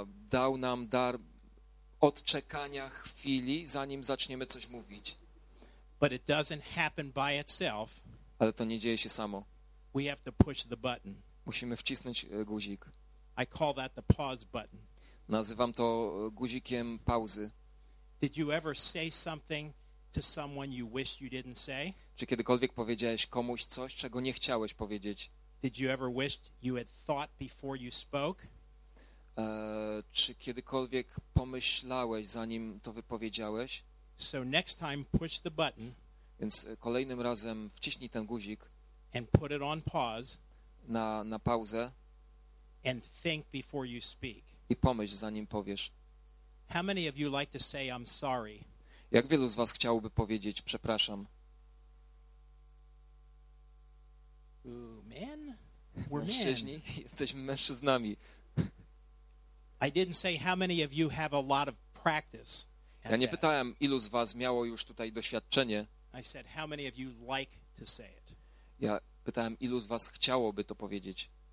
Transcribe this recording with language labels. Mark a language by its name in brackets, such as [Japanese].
[Polish] Dał nam dar odczekania chwili, zanim zaczniemy coś mówić. [English] But it doesn't happen by itself. [Polish] Ale to nie dzieje się samo. [English] We have to push the button. [Polish] Musimy wcisnąć guzik. [English] I call that the pause button. [Polish] Nazywam to guzikiem pauzy. [English] Did you ever say something to someone you wish you didn't say? [Polish] Czy kiedykolwiek powiedziałeś komuś coś, czego nie chciałeś powiedzieć? [English] Did you ever wish you had thought before you spoke? [Polish] Czy kiedykolwiek pomyślałeś, zanim to wypowiedziałeś? [English] So next time push the button. [Polish] Więc kolejnym razem wciśnij ten guzik. [English] And put it on pause. [Polish] Na pauzę. [English] And think before you speak. [Polish] I pomyśl, zanim powiesz. [English] How many of you like to say I'm sorry? [Polish] Jak wielu z was chciałoby powiedzieć przepraszam? [English] Men? [Polish] Mężczyźni? Jesteśmy mężczyznami. [English] I didn't say how many of you have a lot of practice. [Polish] Ja nie pytałem, ilu z was miało już tutaj doświadczenie. [English] I said how many of you like to say it. [Polish] Ja pytałem, ilu z was chciałoby to powiedzieć.